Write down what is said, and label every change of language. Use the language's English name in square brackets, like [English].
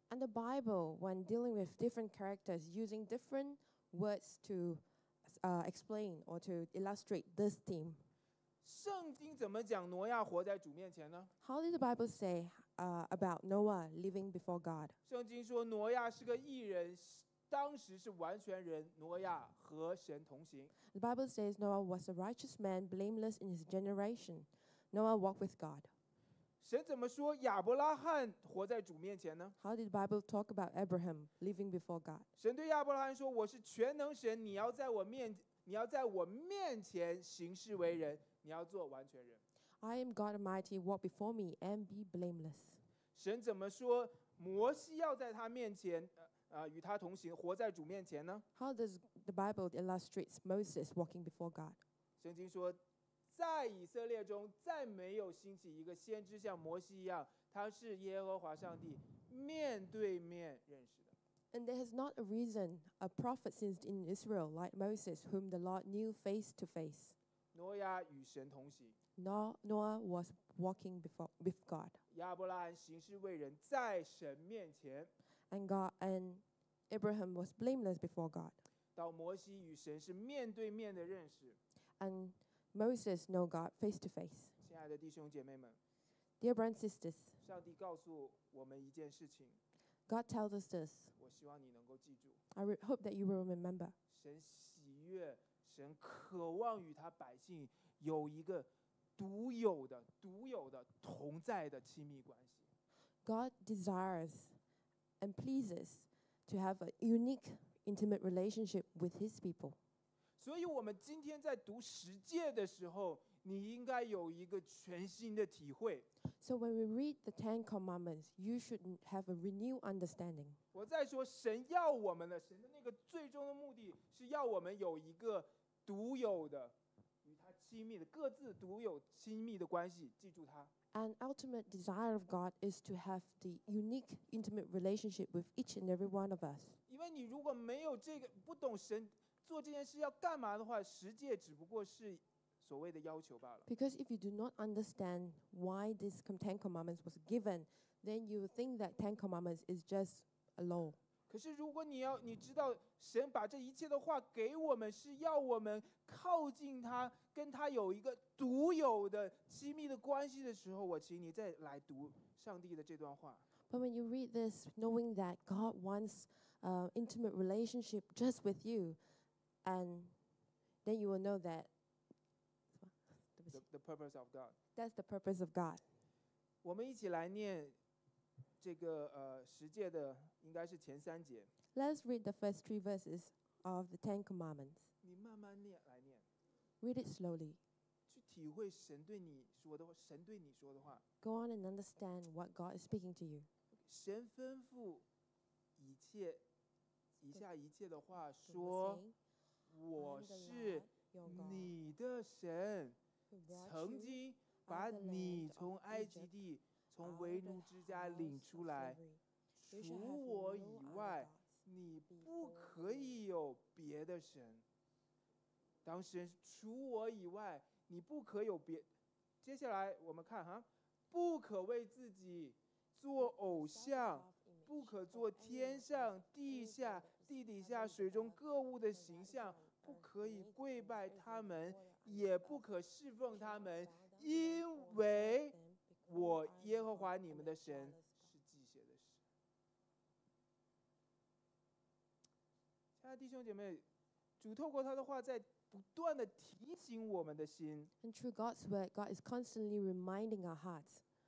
[English] And the Bible, when dealing with different characters, using different words to explain or to illustrate this theme. [Chinese] 圣经怎么讲挪亚活在主面前呢？ [English] How did the Bible say about Noah living before God? [Chinese] 圣经说挪亚是个义人，当时是完全人，挪亚和神同行。 [English] The Bible says Noah was a righteous man, blameless in his generation. Noah walked with God. [Chinese] 神怎么说亚伯拉罕活在主面前呢？ [English] How did the Bible talk about Abraham living before God? [Chinese] 神对亚伯拉罕说，我是全能神，你要在我面前行事为人。你要做完全人。 [English] I am God Almighty, walk before me and be blameless. [Chinese] 神怎么说摩西要在他面前，与他同行，活在主面前呢？ [English] How does the Bible illustrates Moses walking before God? [Chinese] 圣经说，在以色列中再没有兴起一个先知像摩西一样，他是耶和华上帝面对面认识的。 [English] And there has not arisen a prophet since in Israel like Moses, whom the Lord knew face to face. [Chinese] 挪亚与神同行。 [English] Noah was walking with God. [Chinese] 亚伯拉罕行事为人，在神面前。 [English] And Abraham was blameless before God. [Chinese] 到摩西与神是面对面的认识。 [English] And Moses knew God face to face. [Chinese] 亲爱的弟兄姐妹们。 [English] Dear brothers and sisters. [Chinese] 上帝告诉我们一件事情。 [English] God tells us this. [Chinese] 我希望你能够记住。 [English] I hope that you will remember. [Chinese] 神喜悦。神渴望与他百姓有一个独有的同在的亲密关系。 [English] God desires and pleases to have a unique intimate relationship with his people. [Chinese] 所以我们今天在读十诫的时候，你应该有一个全新的体会。 [English] So when we read the Ten Commandments, you should have a renewed understanding. [Chinese] 我在说神要我们的，神的那个最终的目的是要我们有一个独有的与他亲密的各自独有亲密的关系，记住它。 [English] An ultimate desire of God is to have the unique, intimate relationship with each and every one of us. [Chinese] 因为你如果没有这个，不懂神做这件事要干嘛的话，十诫只不过是所谓的要求罢了。 [English] Because if you do not understand why this Ten Commandments was given, then you think that Ten Commandments is just a law. [Chinese] 可是如果你知道神把这一切的话给我们，是要我们靠近他，跟他有一个独有的亲密的关系的时候，我请你再来读上帝的这段话。 [English] But when you read this, knowing that God wants intimate relationship just with you, and then you will know that the purpose of God. That's the purpose of God. [Chinese] 我们一起来念这个十诫的，应该是前三节。 [English] Let's read the first three verses of the Ten Commandments. [Chinese] 你慢慢念来念。 [English] Read it slowly. [Chinese] 去体会神对你说的话，神对你说的话。 [English] Go on and understand what God is speaking to you. [Chinese] 神吩咐一切以下一切的话说，我是你的神，曾经把你从埃及地从为奴之家领出来，除我以外你不可以有别的神。当神除我以外你不可有别，接下来我们看哈，不可为自己做偶像，不可做天上地下地底下水中各物的形象，不可以跪拜他们，也不可侍奉他们，因为我耶和华你们的神是祭血的神。亲爱的弟兄姐妹，主透过他的话在不断的提醒我们的心。 [English] And through God's word, God is constantly reminding our hearts.